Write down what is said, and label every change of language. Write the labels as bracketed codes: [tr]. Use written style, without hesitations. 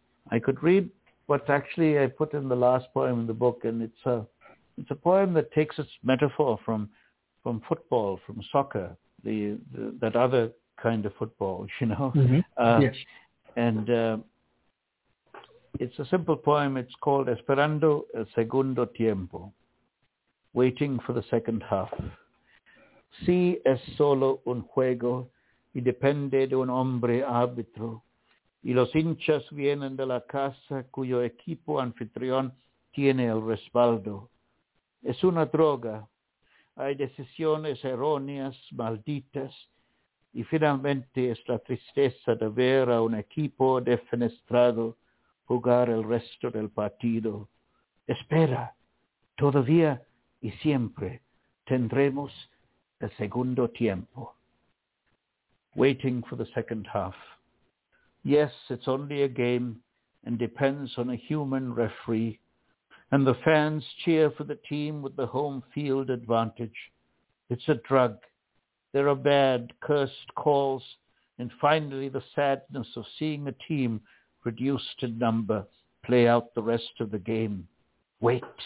[en] I could read what actually I put in the last poem in the book, and it's a poem that takes its metaphor from football, from soccer, the that other kind of football, you know. Mm-hmm. Yes. And it's a simple poem. It's called Esperando el Segundo Tiempo, waiting for the second half. [es] Si es solo un juego y depende de un hombre árbitro y los hinchas vienen de la casa cuyo equipo anfitrión tiene el respaldo. Es una droga. Hay decisiones erróneas, malditas, y finalmente es la tristeza de ver a un equipo defenestrado jugar el resto del partido. Espera, todavía y siempre tendremos el segundo tiempo. [en] Waiting for the second half. Yes, it's only a game and depends on a human referee. And the fans cheer for the team with the home field advantage. It's a drug. There are bad, cursed calls. And finally, the sadness of seeing a team reduced in number play out the rest of the game. Wait.